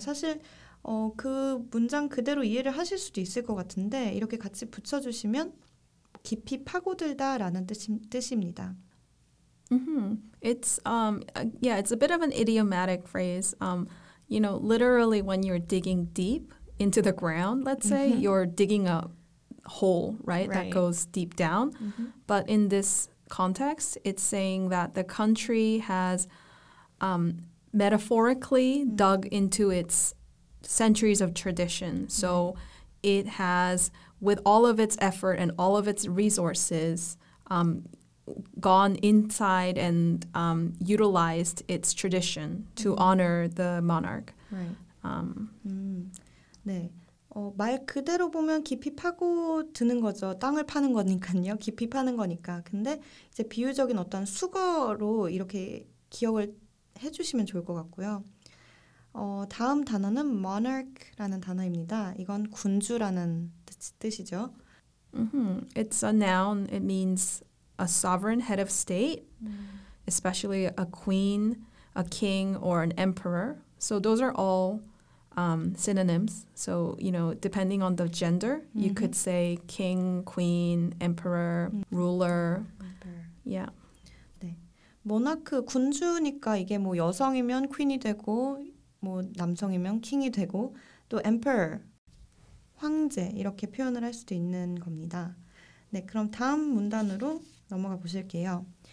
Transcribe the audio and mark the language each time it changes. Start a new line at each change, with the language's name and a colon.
Korean: 사실 그 문장 그대로 이해를 하실 수도 있을 것 같은데 이렇게 같이 붙여주시면 깊이 파고들다라는 뜻입니다. Mm-hmm.
English: It's yeah, it's a bit of an idiomatic phrase. You know, literally when you're digging deep into the ground, let's say you're digging a hole, right? That goes deep down. But in this context, it's saying that the country has metaphorically dug into its centuries of tradition. So it has, with all of its effort and all of its resources, gone inside and utilized its tradition to honor the monarch. Right. 네.
Korean: 말 그대로 보면 깊이 파고 드는 거죠. 땅을 파는 거니까요. 깊이 파는 거니까. 근데 이제 비유적인 어떤 수거로 이렇게 기억을 해주시면 좋을 것 같고요. 다음 단어는 monarch라는 단어입니다. 이건 군주라는 뜻이죠.
English: Mm-hmm. It's a noun. It means a sovereign head of state, especially a queen, a king, or an emperor. So those are all synonyms. So, you know, depending on the gender, you could say king, queen, emperor, ruler. Yeah.
Korean: 모나크 군주니까 이게 뭐 여성이면 퀸이 되고 뭐 남성이면 킹이 되고 또 emperor 황제 이렇게 표현을 할 수도 있는 겁니다. 네, 그럼 다음 문단으로 넘어가 보실게요.